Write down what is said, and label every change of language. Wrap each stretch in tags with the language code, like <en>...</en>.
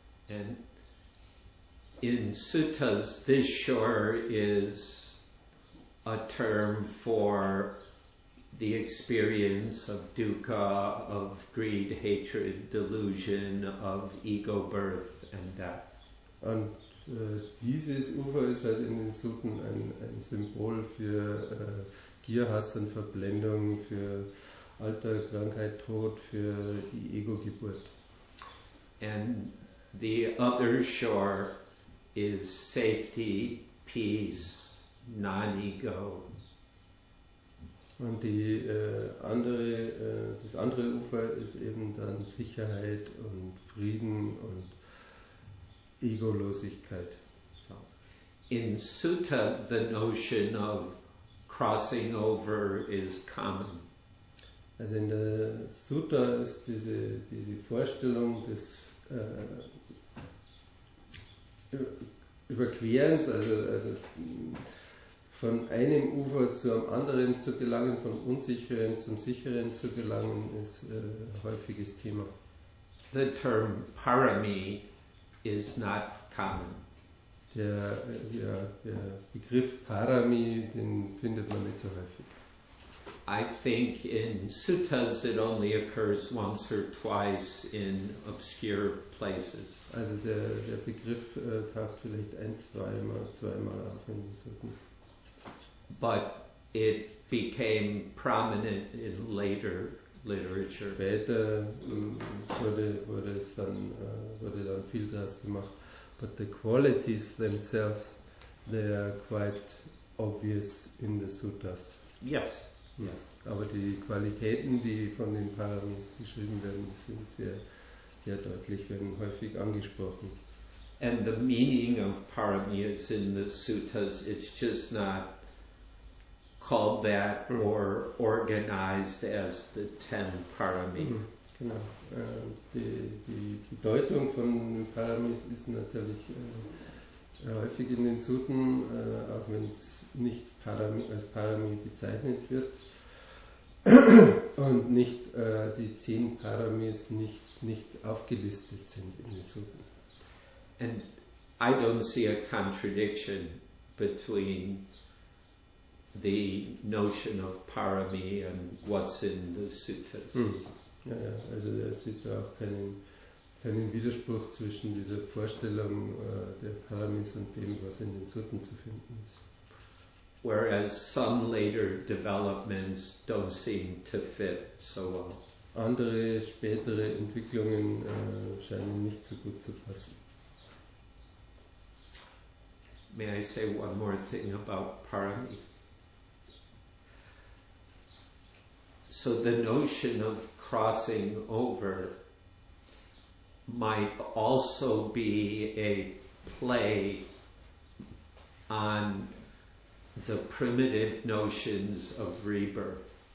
<en>And in suttas, this shore is a term for the experience of dukkha, of greed, hatred, delusion, of ego birth and death.</en> <de>Und dieses Ufer ist halt in den Sutten ein Symbol für Gier, Hass und Verblendung, für Alter, Krankheit, Tod, für die Ego-Geburt.</de> <en>And the other shore is safety, peace, non-ego.</en> <de>Und die andere, das andere Ufer ist eben dann Sicherheit und Frieden und Egolosigkeit.</de> <en>So. In Sutta, the notion of crossing over is common.</en> <de>Also in der Sutta ist diese Vorstellung des Überquerens, also von einem Ufer zu einem anderen zu gelangen, von Unsicheren zum Sicheren zu gelangen, ist ein häufiges Thema.</de> <en>The term parami is not common.</en> <de>Der Begriff Parami, den findet man nicht so häufig.</de> <en>I think in suttas it only occurs once or twice in obscure places.</en> <de>Also der Begriff taucht vielleicht zweimal auf in Sutten.</de> <en>But it became prominent in later literature.</en> <de>Später wurde dann viel draus gemacht.</de> <en>But the qualities themselves, they are quite obvious in the suttas. Yes.</en> <de>Ja, aber die Qualitäten, die von den Paramis beschrieben werden, sind sehr, sehr deutlich, werden häufig angesprochen.</de> <en>And the meaning of parami is in the suttas, it's just not called that or organized as the ten parami.</en> <de>Genau. Die Bedeutung von Paramis ist natürlich häufig in den Sutten, auch wenn es nicht als Parami bezeichnet wird. Und nicht die 10 Paramis nicht aufgelistet sind in den Sutten.</de> <en>And I don't see a contradiction between the notion of parami and what's in the suttas.</en> <de>Ja, also da sieht man auch keinen Widerspruch zwischen dieser Vorstellung der Paramis und dem, was in den Sutten zu finden ist.</de> <en>Whereas some later developments don't seem to fit so well.</en> <de>Andere spätere Entwicklungen scheinen nicht so gut zu passen.</de> <en>May I say one more thing about parami? So the notion of crossing over might also be a play on the primitive notions of rebirth.</en>